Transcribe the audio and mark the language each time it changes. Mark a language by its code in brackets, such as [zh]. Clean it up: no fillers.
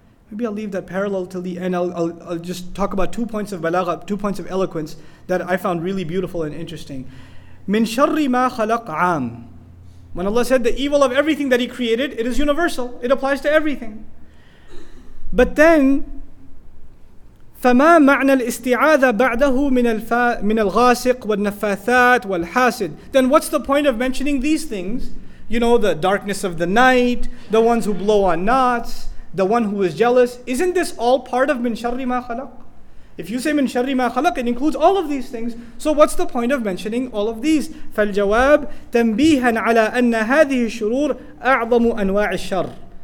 [en] maybe I'll leave that parallel till the end. I'll just talk about two points of balagha, two points of eloquence that I found really beautiful and interesting. [ar] Min sharri ma khalaq [en] am. When Allah said the evil of everything that He created, it is universal. It applies to everything. [ar] But then, فَمَا مَعْنَى الْإِسْتِعَاذَةَ بَعْدَهُ مِنَ الْغَاسِقِ وَالنَّفَّاثَاتِ وَالْحَاسِدِ. [en] Then what's the point of mentioning these things? You know, the darkness of the night, the ones who blow on knots, the one who is jealous. Isn't this all part of [ar] min sharri ma khalaq? [en] If you say min sharri ma khalaq, it includes all of these things. So what's the point of mentioning all of these? [ar] فَالْجَوَابِ تَنْبِيهًا عَلَىٰ أَنَّ هَذِهِ الشُّرُورِ أَعْظَمُ أَنْوَاعِ الشَّرِ.